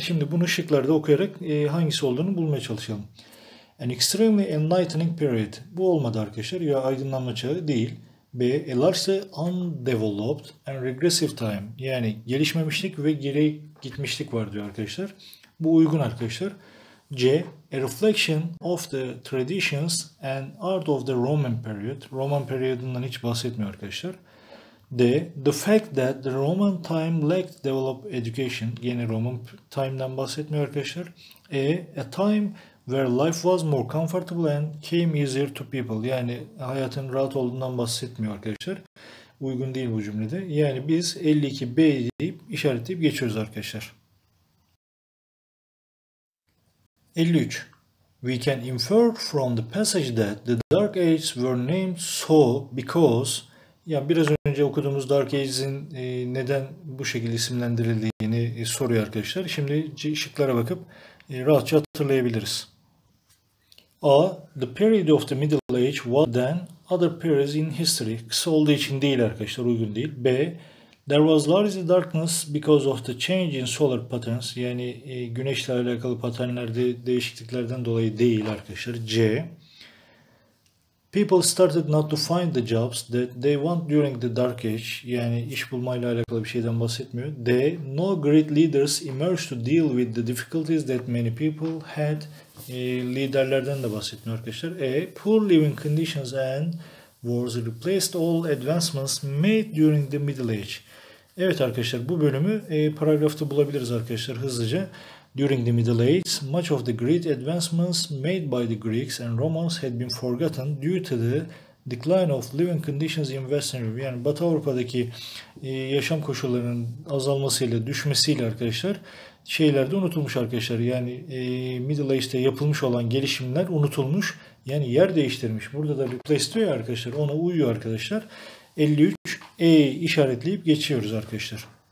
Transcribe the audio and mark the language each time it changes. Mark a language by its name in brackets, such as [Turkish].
[Turkish] Şimdi bunu şıklarda okuyarak hangisi olduğunu bulmaya çalışalım. [English] An extremely enlightening period. [Turkish] Bu olmadı arkadaşlar. Ya aydınlanma çağı değil. B. [English] A largely undeveloped and regressive time. [Turkish] Yani gelişmemişlik ve geri gitmişlik var diyor arkadaşlar. Bu uygun arkadaşlar. C. [English] A reflection of the traditions and art of the Roman period. [Turkish] Roman periyodundan hiç bahsetmiyor arkadaşlar. D. [English] The fact that the Roman time lacked developed education. [Turkish] Yine Roman time'dan bahsetmiyor arkadaşlar. E. [English] A time where life was more comfortable and came easier to people. [Turkish] Yani hayatın rahat olduğundan bahsetmiyor arkadaşlar. Uygun değil bu cümlede. Yani biz 52B deyip işaretleyip geçiyoruz arkadaşlar. [English] 53. We can infer from the passage that the Dark Ages were named so because, [Turkish] yani biraz önce okuduğumuz Dark Ages'in neden bu şekilde isimlendirildiğini soruyor arkadaşlar. Şimdi şıklara bakıp rahatça hatırlayabiliriz. A. [English] The period of the Middle Age was then other periods in history. [Turkish] Kısa olduğu için değil arkadaşlar, uygun değil. [English] B. There was largely darkness because of the change in solar patterns. [Turkish] Yani güneşle alakalı paternlerde değişikliklerden dolayı değil arkadaşlar. C. [English] People started not to find the jobs that they want during the Dark Age. [Turkish] Yani iş bulmayla alakalı bir şeyden bahsetmiyor. [English] D. No great leaders emerged to deal with the difficulties that many people had. [Turkish] Liderlerden de bahsetmiyor arkadaşlar. [English] E. Poor living conditions and wars replaced all advancements made during the Middle Age. [Turkish] Evet arkadaşlar, bu bölümü paragrafta bulabiliriz arkadaşlar hızlıca. [English] During the Middle Ages, much of the great advancements made by the Greeks and Romans had been forgotten due to the decline of living conditions in Western Europe. [Turkish] Yani Batı Avrupa'daki yaşam koşullarının azalmasıyla, düşmesiyle arkadaşlar şeyler de unutulmuş arkadaşlar. Yani Middle Ages'te yapılmış olan gelişimler unutulmuş. Yani yer değiştirmiş. Burada da replace diyor ya arkadaşlar, ona uyuyor arkadaşlar. 53E işaretleyip geçiyoruz arkadaşlar.